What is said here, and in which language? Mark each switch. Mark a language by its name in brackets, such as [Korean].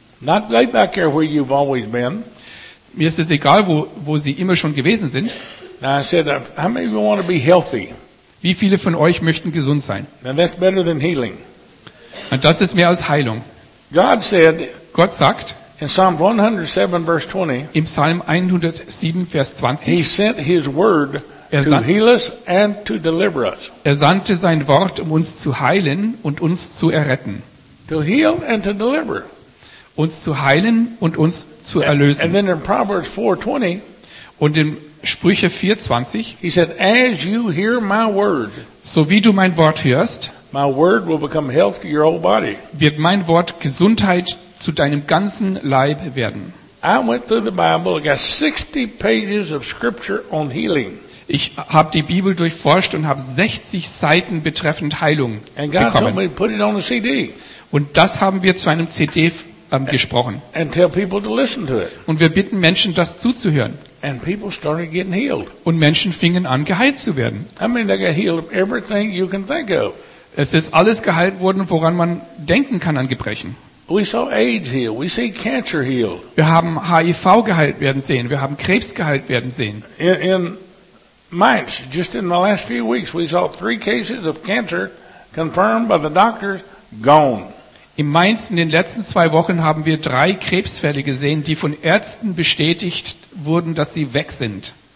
[English] Not right back there where you've always been. [German] Mir ist es egal, wo sie immer schon gewesen sind. [English] Now I said, how many of you want to be healthy? [German] Wie viele von euch möchten gesund sein? [English] And that's better than healing. [German] Und das ist mehr als Heilung. [English] God said, [German] Gott sagt [English] in Psalm 107, verse 20, [German] im Psalm 107, Vers 20, [English] he sent his word to heal us and to deliver us. [German] Er sandte sein Wort, um uns zu heilen und uns zu erretten. [English] To heal and to deliver. [German] Uns zu heilen und uns zu erlösen. [English] And then in Proverbs 4:20, [German] und in Sprüche 4:20, [English] he said, as you hear my word, [German] so wie du mein Wort hörst, [English] my word will become health to your whole body. [German] Wird mein Wort Gesundheit zu deinem ganzen Leib werden. [English] I went through the Bible, I got 60 pages of scripture on healing. [German] Ich habe die Bibel durchforscht und habe 60 Seiten betreffend Heilung [English] and God [German] bekommen. [English] Told me to put it on a CD. [German] Und das haben wir zu einem CD gesprochen. [English] And tell people to listen to it. [German] Und wir bitten Menschen, das zuzuhören. [English] And people started getting healed. [German] Und Menschen fingen an, geheilt zu werden. [English] I mean, they got healed of everything you can think of. [German] Es ist alles geheilt worden, woran man denken kann an Gebrechen. [English] We saw AIDS healed. We see cancer healed. [German] Wir haben HIV geheilt werden sehen. Wir haben Krebs geheilt werden sehen. [English] In Mainz, just in the last few weeks, we saw 3 cases of cancer confirmed by the doctors gone. [German] In Mainz in den letzten 2 Wochen haben wir 3 Krebsfälle gesehen, die von Ärzten bestätigt wurden, dass sie weg sind.